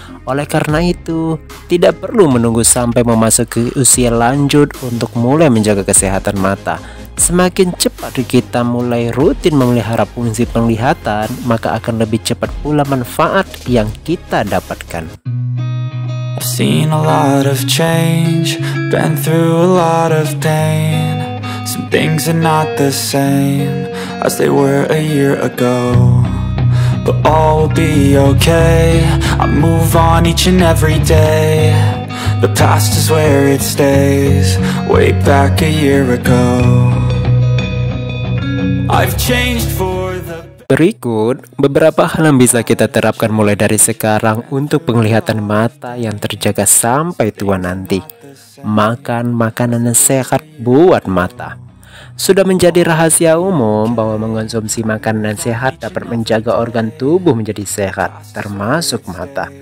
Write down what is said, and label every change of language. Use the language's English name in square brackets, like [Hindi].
[Indonesian] Oleh karena itu, tidak perlu menunggu sampai memasuki usia lanjut untuk mulai menjaga kesehatan mata. Semakin cepat kita mulai rutin memelihara fungsi penglihatan, maka akan lebih cepat pula manfaat yang kita dapatkan. [English] I've seen a lot of change, been through a lot of pain. Some things are not the same as they were a year ago. But all will be okay, I move on each and every day. The past is where it stays, way back a year ago. I've changed for the... [Indonesian] Berikut beberapa hal yang bisa kita terapkan mulai dari sekarang untuk penglihatan mata yang terjaga sampai tua nanti. Makan makanan yang sehat buat mata. Sudah menjadi rahasia umum bahwa mengonsumsi makanan sehat dapat menjaga organ tubuh menjadi sehat, termasuk mata.